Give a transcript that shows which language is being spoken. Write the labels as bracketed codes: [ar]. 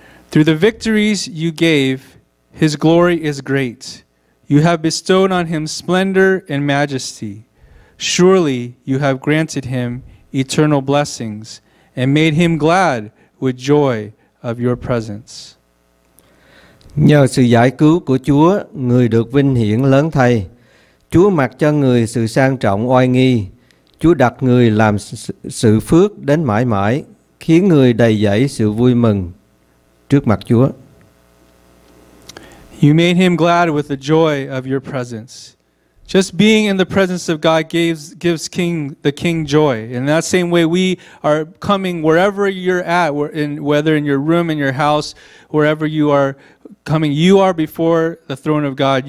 [en] Through the victories you gave, his glory is great. You have bestowed on him splendor and majesty. Surely you have granted him eternal blessings and made him glad with joy of your presence. [vi] Nhờ sự giải cứu của Chúa, người được vinh hiển lớn thay. Chúa mặc cho người sự sang trọng oai nghi. Chúa đặt người làm sự phước đến mãi mãi, khiến người đầy dẫy sự vui mừng trước mặt Chúa. [en] You made him glad with the joy of your presence. Just being in the presence of God gives the king joy. In that same way, we are coming wherever you're at, whether in your room, in your house, wherever you are coming, you are before the throne of God.